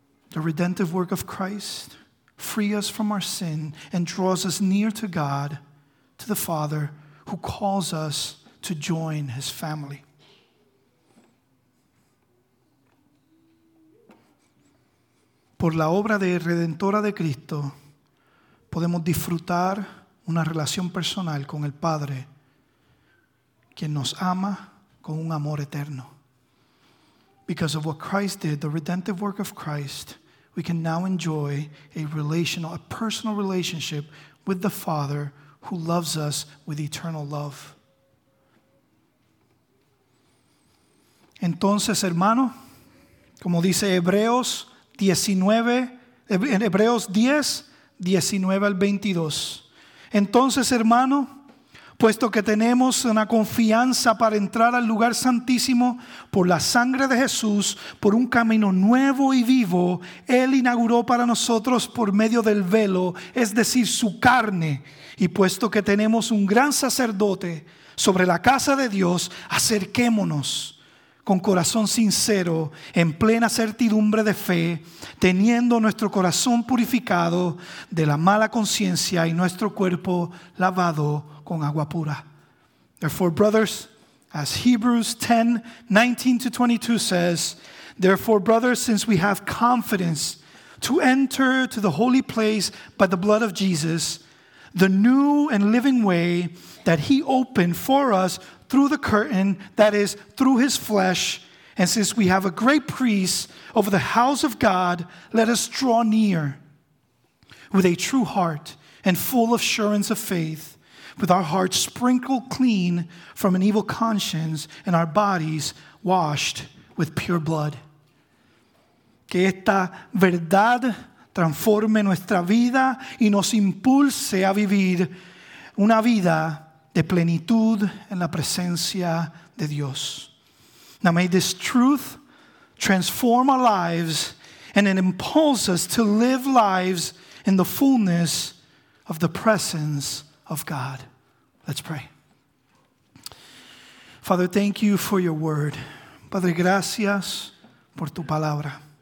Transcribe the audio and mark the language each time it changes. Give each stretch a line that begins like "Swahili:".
English: The redemptive work of Christ frees us from our sin and draws us near to God, to the Father, who calls us to join His family.
Spanish: Por la obra de redentora de Cristo, podemos disfrutar una relación personal con el Padre, quien nos ama con un amor eterno.
English: Because of what Christ did, the redemptive work of Christ, we can now enjoy a personal relationship with the Father who loves us with eternal love.
Spanish: Entonces, hermano, como dice Hebreos 10:19-22. Entonces, hermano, puesto que tenemos una confianza para entrar al lugar santísimo por la sangre de Jesús, por un camino nuevo y vivo, Él inauguró para nosotros por medio del velo, es decir, su carne. Y puesto que tenemos un gran sacerdote sobre la casa de Dios, acerquémonos con corazón sincero, en plena certidumbre de fe, teniendo nuestro corazón purificado de la mala conciencia y nuestro cuerpo lavado con agua pura.
English: Therefore, brothers, as Hebrews 10:19-22 says, therefore, brothers, since we have confidence to enter to the holy place by the blood of Jesus, the new and living way that He opened for us through the curtain, that is, through His flesh, and since we have a great priest over the house of God, let us draw near with a true heart and full assurance of faith, with our hearts sprinkled clean from an evil conscience and our bodies washed with pure blood.
Spanish: Que esta verdad transforme nuestra vida y nos impulse a vivir una vida de plenitud en la presencia de Dios.
English: Now may this truth transform our lives and it impulse us to live lives in the fullness of the presence of God. Let's pray. Father, thank you for your word.
Spanish: Padre, gracias por tu palabra.